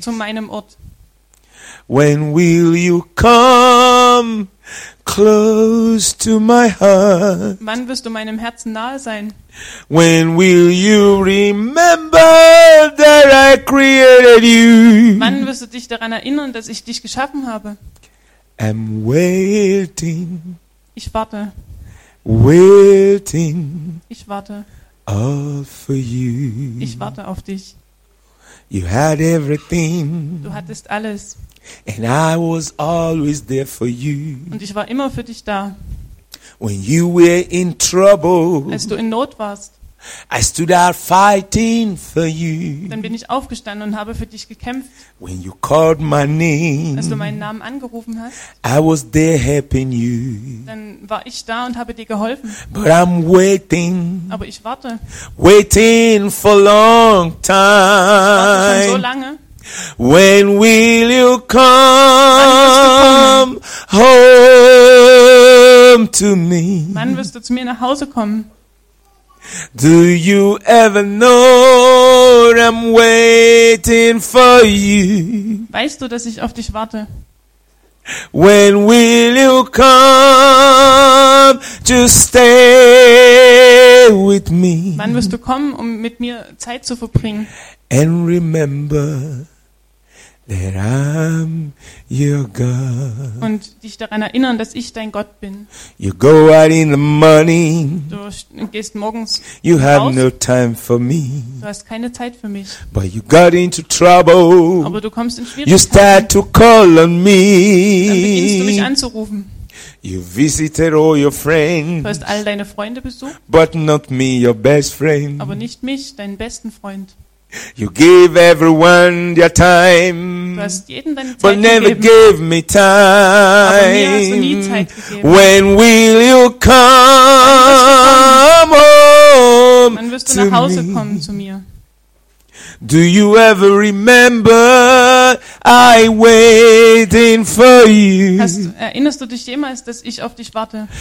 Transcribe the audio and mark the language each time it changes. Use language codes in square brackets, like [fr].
[de] Zu meinem Ort. [en] When will you come close to my heart? [de] Wann wirst du meinem Herzen nahe sein? [en] When will you remember that I created you? [de] Wann wirst du dich daran erinnern, dass ich dich geschaffen habe? [en] I'm waiting. [de] Ich warte. [en] Waiting. [de] Ich warte. [en] All for you. [de] Ich warte auf dich. [en] You had everything. [de] Du hattest alles. [en] And I was always there for you. [de] Und ich war immer für dich da. [en] When you were in trouble. [de] Als du in Not warst. [en] I stood out fighting for you. [de] Dann bin ich aufgestanden und habe für dich gekämpft. [en] When you called my name. [de] Als du meinen Namen angerufen hast. [en] I was there helping you. [de] Dann war ich da und habe dir geholfen. [en] But I'm waiting. [de] Aber ich warte. [en] Waiting for long time. [de] Ich warte schon so lange. [en] When will you come home to me? [de] Wann wirst du zu mir nach Hause kommen? [en] Do you ever know I'm waiting for you? [de] Weißt du, dass ich auf dich warte? [en] When will you come to stay with me? [de] Wann wirst du kommen, um mit mir Zeit zu verbringen? [en] And remember that I'm your God. [de] Und dich daran erinnern, dass ich dein Gott bin. [en] You go out in the morning. [de] Du gehst morgens raus. [en] You have no time for me. [de] Du hast keine Zeit für mich. [en] But you got into trouble. [de] Aber du kommst in Schwierigkeiten. [en] You start to call on me. [de] Dann beginnst du mich anzurufen. [en] You visited all your friends. [de] Du hast all deine Freunde besucht. [en] But not me, your best friend. [de] Aber nicht mich, deinen besten Freund. [en] You gave everyone their time, [de] du hast jedem deine Zeit [en] but never [de] gegeben, [en] gave me time. [de] Aber mir hast du nie Zeit gegeben. [en] When will you come home? [de] Wann wirst du nach Hause kommen zu mir? [en] Do you ever remember I waiting for you? [de] Erinnerst du dich jemals, dass ich auf dich warte?